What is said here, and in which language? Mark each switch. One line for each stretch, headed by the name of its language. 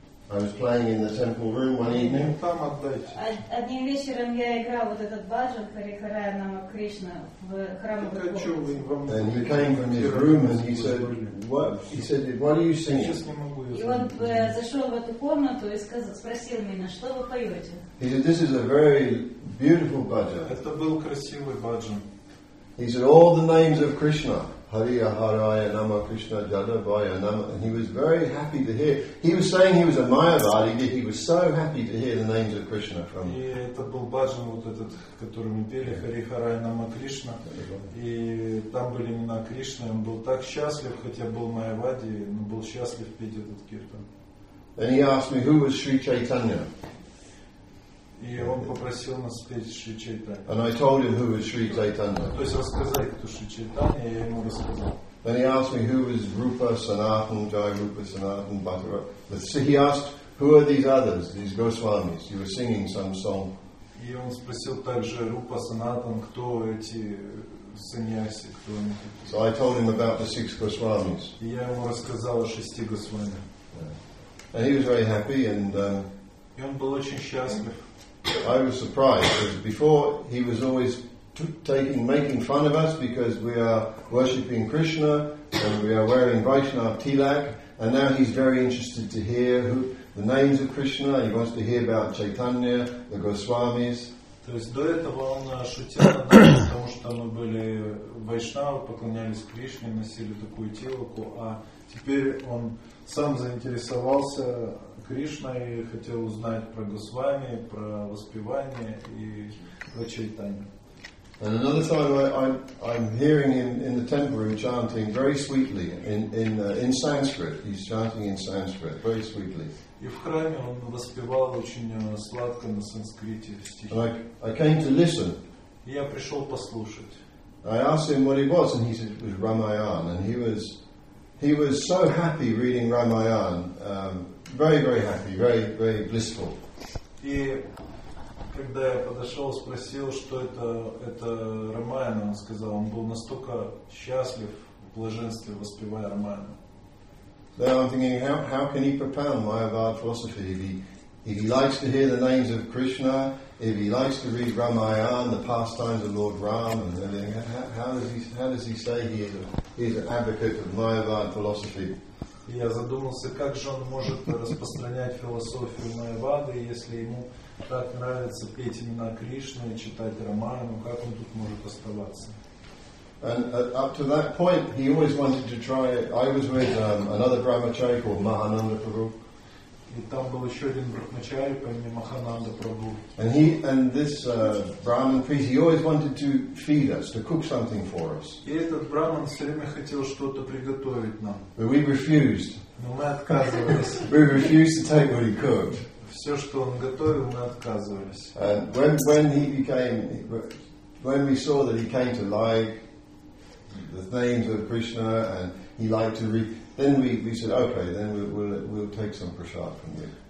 English: I was playing in the temple room one evening.
Russian: Там отдайте. Одним вечером я играл вот этот бхаджан Хари Харай Нама Кришна в храмовой комнате.
English: And he came from his room and he said, what are you singing?
Russian: И он зашел в эту комнату и спросил меня, что вы поете?
English: He said, this is a very beautiful bhajan.
Russian: Это был красивый bhajan.
English: He said, all the names of Krishna. Hari Haraya Nama Krishna Jadavaya Nama, and he was very happy to hear. He was saying he was a Mayavadi, but he was so happy to hear the names of Krishna from him.
Russian: И это был баджан вот этот, который мы пели, Хари Харай Нама Кришна. И там были имена Кришны. Он был так счастлив, хотя был Майавади, но был счастлив петь этот киртан.
English: And he asked me, who was Sri Chaitanya?
Russian: И он попросил нас спеть Шри Чайтанья.
English: And I told him who was Sri Chaitanya.
Russian: То есть рассказать, кто Шри Чайтанья, я ему рассказал.
English: Then he asked me who was Rupa Sanatan, Jai Rupa Sanatan, Bhattara. So he asked, who are these others, these Goswamis? You were singing some song.
Russian: И он спросил также Рупа Санатан, кто эти саньяси, кто они такие.
English: So I told him about the six Goswamis.
Russian: И я ему рассказал о шести Госвами.
English: Yeah. And he was very happy and.
Russian: И он был очень счастлив.
English: I was surprised because before he was always making fun of us because we are worshipping Krishna and we are wearing Vaishnava tilak, and now he's very interested to hear the names of Krishna. He wants to hear about Chaitanya, the Goswamis.
Russian: То есть до этого он шутил над нами, потому что мы были вайшнавы, поклонялись Кришне, носили такую тилаку, а теперь он сам заинтересовался Кришна и хотел узнать про Госвами, про воспевание и про Чайтанью.
English: And another time I'm hearing him in the temple room chanting very sweetly in Sanskrit. He's chanting in Sanskrit very sweetly.
Russian: И в храме он воспевал очень сладко на санскрите стихи.
English: I came to listen.
Russian: Я пришел послушать.
English: I asked him what he was, and he said it was Ramayana, and he was so happy reading Ramayana. Very, very happy, very, very blissful.
Russian: И когда я подошел, спросил, что это Рамаяна, он сказал, он был настолько счастлив в блаженстве, воспевая Рамаяну.
English: Then I'm thinking, how can he propound Mayavada philosophy if he likes to hear the names of Krishna, if he likes to read Ramayana, the pastimes of Lord Ram, and everything? How does he say he is an advocate of Mayavada philosophy?
Russian: Я задумался, как же он может распространять философию Майявады, если ему так нравится петь имена Кришны, читать Рамаяну, как он тут может оставаться?
English: And up to that point, he always wanted to try it. I was with another brahmachari called Mahananda Prabhu.
Russian: И там был еще один брахмачари по имени Махананда Прабху.
English: And he and this Brahmin priest, he always wanted to feed us, to cook something for us.
Russian: И этот брахман все время хотел что-то приготовить нам.
English: But we refused.
Russian: Но мы отказывались.
English: We refused to take what he cooked.
Russian: Все, что он готовил, мы отказывались.
English: And when he became, when we saw that he came to like the names of Krishna and he liked to read. Then we said, okay, then we'll take some prasad from you.